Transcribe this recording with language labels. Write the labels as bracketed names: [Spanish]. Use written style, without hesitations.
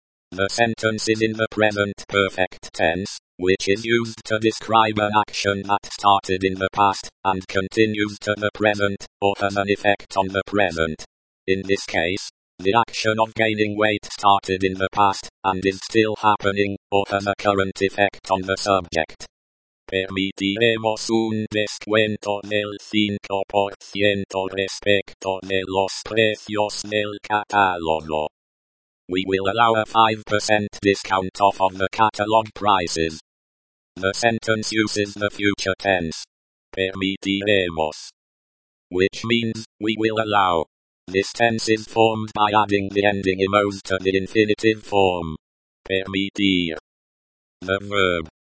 [English] The sentence is in the present perfect tense, which is used to describe an action that started in the past, and continues to the present, or has an effect on the present. In this case, the action of gaining weight started in the past, and is still happening, or has a current effect on the subject. [Spanish] Permitiremos un descuento del 5% respecto de los precios del catálogo. [English] We will allow a 5% discount off of the catalog prices. The sentence uses the future tense. Permitiremos. Which means, we will allow. This tense is formed by adding the ending -imos to the infinitive form. Permitir. The verb.